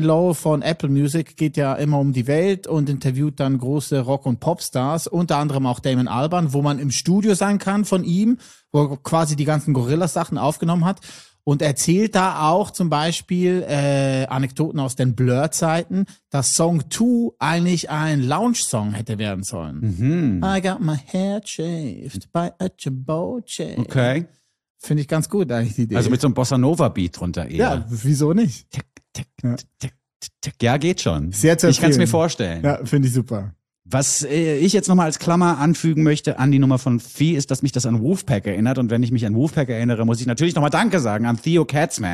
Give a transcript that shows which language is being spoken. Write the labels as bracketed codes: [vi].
[de] Lowe von Apple Music geht ja immer um die Welt und interviewt dann große Rock- und Popstars, unter anderem auch Damon Albarn, wo man im Studio sein kann von ihm, wo er quasi die ganzen Gorillaz-Sachen aufgenommen hat und erzählt da auch zum Beispiel Anekdoten aus den Blur-Zeiten, dass Song 2 eigentlich ein Lounge-Song hätte werden sollen. [en] I got my hair shaved by a Chiboche. [de] Okay. Finde ich ganz gut eigentlich die Idee. Also mit so einem Bossa Nova Beat drunter eher. Ja, wieso nicht? Tick, tick, ja. Tick, tick. Ja, geht schon. Sehr zu Ich kann es mir vorstellen. Ja, finde ich super. Was ich jetzt nochmal als Klammer anfügen möchte an die Nummer von Vieh ist, dass mich das an Wolfpack erinnert. Und wenn ich mich an Wolfpack erinnere, muss ich natürlich nochmal Danke sagen an Theo Katzmann.